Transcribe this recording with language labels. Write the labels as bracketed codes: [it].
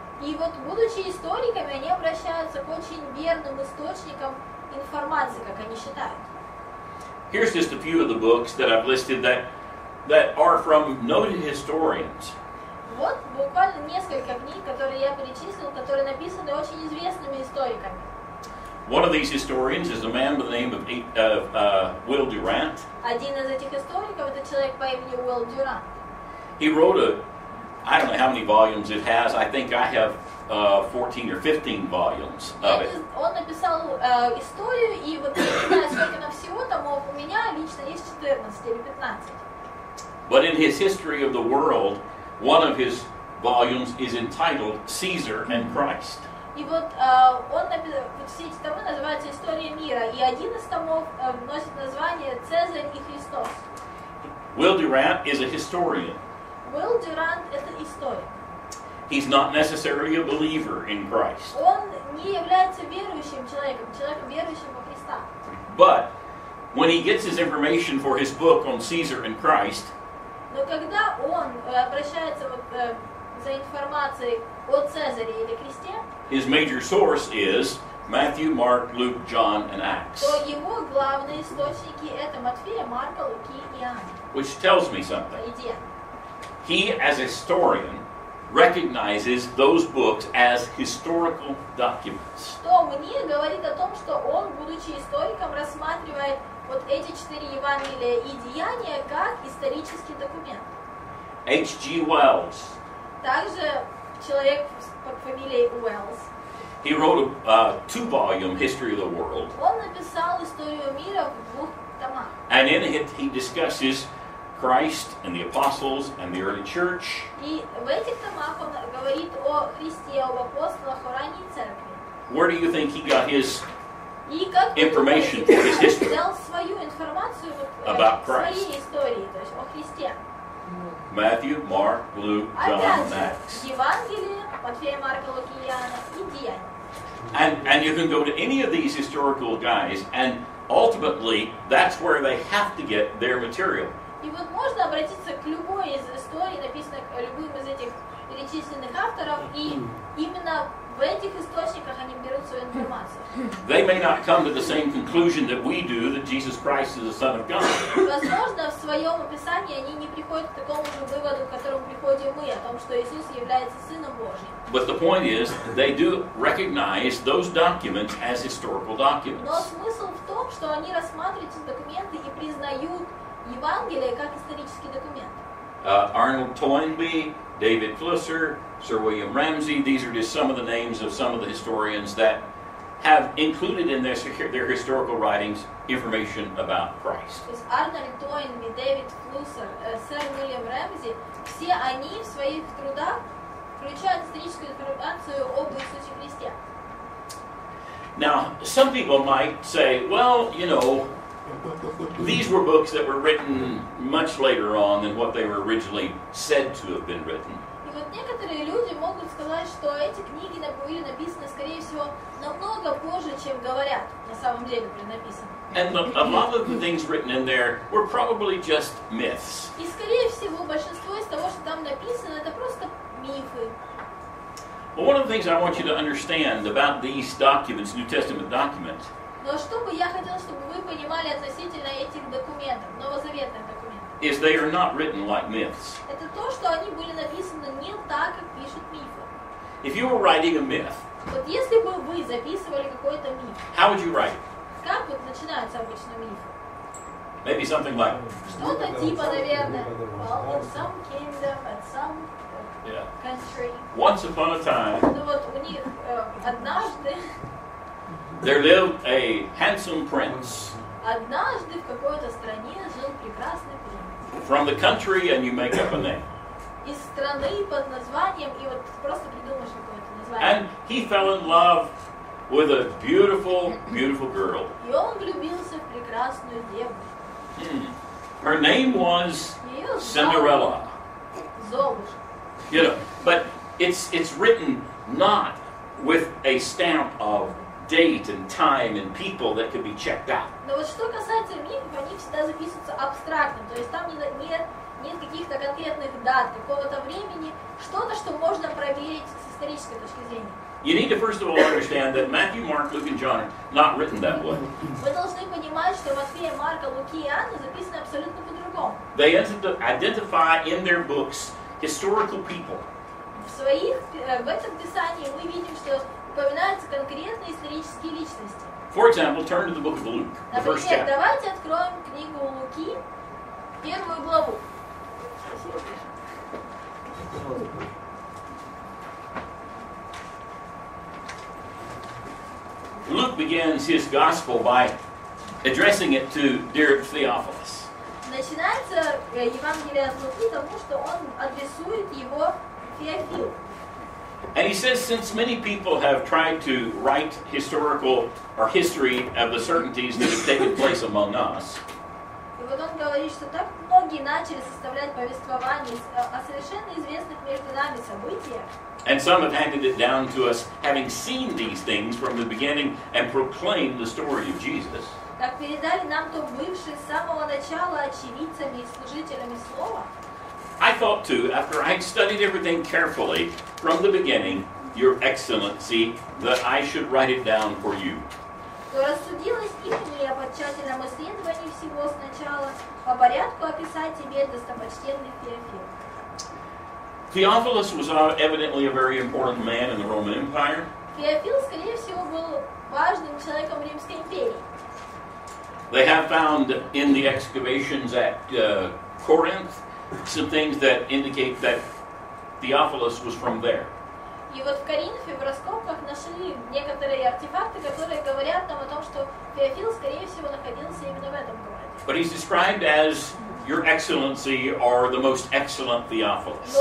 [ru] И вот, будучи историками, они обращаются к очень верным источникам информации, как они считают. [en] Here's just a few of the books that I've listed that are from noted historians. [ru] Вот буквально несколько книг, которые я перечислил, которые написаны очень известными историками. [en] One of these historians is a man by the name of Will Durant. [ru] Один из этих историков — это человек по имени Уилл Дюрант. [en] He wrote a, I don't know how many volumes it has. I think I have 14 or 15 volumes of it. [ru] Он написал историю, и вот не знаю, сколько на всего томов, у меня лично есть 14 или 15. [en] But in his history of the world, one of his volumes is entitled Caesar and Christ. [ru] И вот он написал, все эти томы называются «История мира», и один из томов носит название «Цезарь и Христос». [en] Will Durant is a historian. [ru] Will Durant — это историк. [en] He's not necessarily a believer in Christ. [ru] Он не является верующим человеком, человеком верующим во Христа. [en] But when he gets his information for his book on Caesar and Christ, [ru] но когда он обращается вот за информацией о Цезаре или Христе, [en] his major source is Matthew, Mark, Luke, John, and Acts. [ru] То его главные источники — это Матфея, Марка, Луки и Иоанн. [en] Which tells me something. He, as a historian, recognizes those books as historical documents. [ru] Что мне говорит о том, что он, будучи историком, рассматривает вот эти четыре Евангелия и Деяния как исторический документ. [en] H.G. Wells. [ru] Также человек под фамилией Уэллс. [en] He wrote a two-volume History of the World. [ru] Он написал историю мира в двух томах. [en] And in it he discusses Christ and the apostles and the early church. [ru] И в этих томах он говорит о Христе, об апостолах, о ранней церкви. [en] Where do you think he got his information for his history? [ru] Взял свою информацию [en] about Christ. [ru] Своей истории, то есть о Христе. [en] Matthew, Mark, Luke, John, and Acts. [ru] Евангелие, Матфея, Марка, Луки, Иоанна и Деяния. [en] And you can go to any of these historical guys, and ultimately that's where they have to get their material. [ru] И вот можно обратиться к любой из историй, написанных любым из этих перечисленных авторов, и именно в этих источниках они берут свою информацию. [en] They may not come to the same conclusion that we do, that Jesus Christ is the Son of God. [ru] Возможно, в своем описании они не приходят к такому же выводу, к которому приходим мы, о том, что Иисус является Сыном Божьим. [en] But the point is, they do recognize those documents as historical documents. [ru] Но смысл в том, что они рассматривают эти документы и признают Евангелие как исторический документ. [en] Арнольд Тойнби, Дэвид Флюсер, сэр Уильям Рамзи, these are just some of the names of some of the historians that have included in their historical writings information about Christ. [ru] То есть Арнольд Тойнби, Дэвид Флюсер, сэр Уильям Рамзи, все они в своих трудах включают историческую информацию об Иисусе Христе. [en] Now, some people might say, well, you know, these were books that were written much later on than what they were originally said to have been written. [ru] И вот некоторые люди могут сказать, что эти книги были написаны, скорее всего, намного позже, чем говорят, на самом деле были написаны. [en] And a lot of the things written in there were probably just myths. [ru] И скорее всего, большинство из того, что там написано, это просто мифы. [en] But one of the things I want you to understand about these documents, New Testament documents, [ru] но что бы я хотел, чтобы вы понимали относительно этих документов, новозаветных документов, [en] is they are not written like myths. [ru] Это то, что они были написаны не так, как пишут мифы. [en] If you were writing a myth, [ru] вот если бы вы записывали какой-то миф, [en] how would you write? [ru] Как вот начинаются обычно мифы? [en] Maybe something like [ru] что-то типа, наверное, [en] well, in some kingdom, at some country. Yeah. Once upon a time. [ru] Ну вот у них однажды. [en] There lived a handsome prince. [ru] Однажды в какой-то стране жил прекрасный принц. [en] From the country, and you make up a name. [ru] Из страны под названием, и вот просто придумаешь какое-то название. [en] And he fell in love with a beautiful, beautiful girl. [ru] И он влюбился в прекрасную девушку. [en] Her name was Cinderella. [ru] Золушка. [en] You know, but it's written not with a stamp of date and time and people that could be checked out. [ru] Но вот что касается мифов, они всегда записываются абстрактным, то есть там нет каких-то конкретных дат, какого-то времени, что-то, что можно проверить с исторической точки зрения. [en] You need to first of all understand that Matthew, Mark, Luke, and John are not written that way. [ru] Вы должны понимать, что Матфея, Марка, Луки и Иоанна записаны абсолютно по-другому. [en] They identify in their books historical people. [ru] В своих, в этом писании мы видим, что упоминаются конкретные исторические личности. [en] For example, turn to the book of Luke, the [ru] Например, [en] first chapter. [ru] Давайте откроем книгу Луки, первую главу. [en] Luke begins his gospel by addressing it to dear Theophilus. [ru] Начинается Евангелие от Луки тому, что он адресует его Феофилу. [en] And he says, since many people have tried to write historical or history of the certainties that have taken place among us, [ru] и вот он говорит, что так многие начали составлять повествование о совершенно известных между нами событиях. [en] And some have handed it down to us, having seen these things from the beginning, and proclaimed the story of Jesus. [ru] Так передали нам то бывшие с самого начала очевидцами и служителями слова. [en] I thought too, after I studied everything carefully from the beginning, Your Excellency, that I should write it down for you. [ru] То рассудилось и мне по тщательному исследованию всего сначала по порядку описать тебе достопочтенный Феофил. [en] Theophilus was evidently a very important man in the Roman Empire. [ru] Феофил, скорее всего, был важным человеком в Римской империи. [en] They have found in the excavations at Corinth some things that indicate that Theophilus was from there. [ru] И вот в Коринфе, в раскопках, нашли некоторые артефакты, которые говорят нам о том, что Феофил, скорее всего, находился именно в этом городе. [en] But he's described as Your Excellency or the most excellent Theophilus.